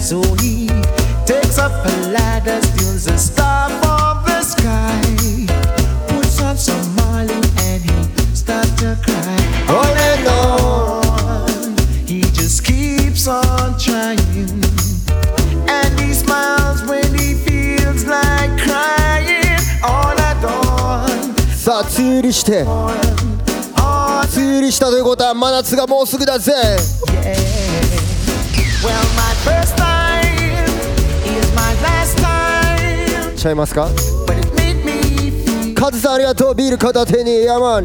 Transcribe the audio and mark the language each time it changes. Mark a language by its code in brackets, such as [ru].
[en] So he takes up a ladder, steals a star from the sky, puts on some Marley, and he starts to cry. On and on, he just keeps on trying, and he smiles when he feels like crying. On and on. [ja] さあ、梅雨入りして。梅雨入りしたということは真夏がもうすぐだぜ。 [en] Yeah. Well, my first time is my last time. [ja] ちゃいますか？ [en] But it made me feel. [ja] カズさんありがとう。ビール片手にエアマン。